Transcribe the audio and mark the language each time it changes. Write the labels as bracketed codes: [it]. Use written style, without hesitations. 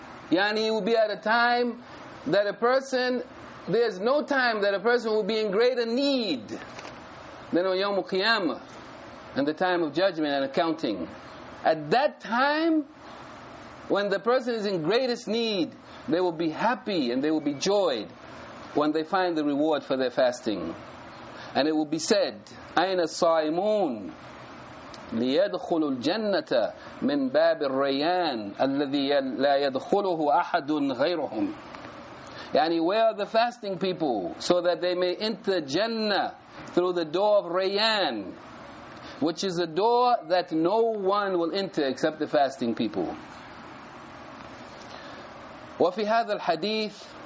[en] Yani, it will be at a time that a person, there's no time that a person will be in greater need than on Yawm al-Qiyamah and the time of judgment and accounting. At that time, when the person is in greatest need, they will be happy and they will be joyed when they find the reward for their fasting. And it will be said, [ar] أَيْنَ الصَّائِمُونَ لِيَدْخُلُ الْجَنَّةَ مِنْ بَابِ الرَّيَانِ الَّذِي لَا يَدْخُلُهُ أَحَدٌ غَيْرُهُمْ. [en] Yani, where are the fasting people so that they may enter Jannah through the door of Rayyan, which is a door that no one will enter except the fasting people. [ar] وَفِي هَذَا الْحَدِيثِ.